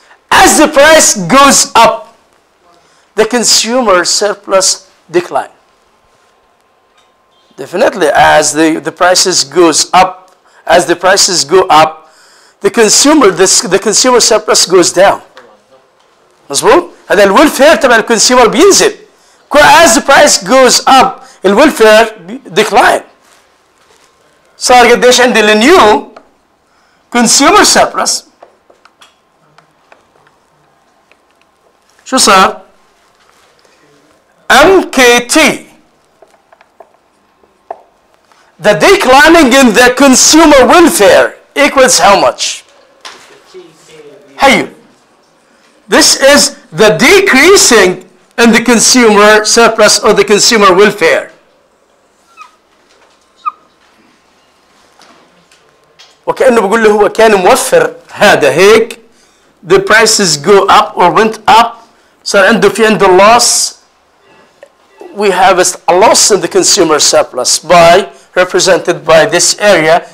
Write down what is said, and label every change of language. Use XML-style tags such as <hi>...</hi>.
<en>As the price goes up, the consumer surplus declines. Definitely, as the prices goes up, as the prices go up, the consumer surplus goes down.</en> <ar>مظبوط؟ هذا الويلفير تبع الكونسيومر بينزل.</ar> <en>As the price goes up, الويلفير decline.</en> <ar>صار قديش عندي النيو كونسيومر سيربلس؟ شو صار؟ MKT.</ar> <en>The declining in the consumer welfare equals how much? Hey, this is the decreasing in the consumer surplus or the consumer welfare.</en> <ar>وكأنه بقول له هو كان موفر هذا هيك.</ar> <en>The prices go up or went up.</en> <ar>صار عنده في عنده loss.</ar> <en>We have a loss in the consumer surplus by represented by this area.</en>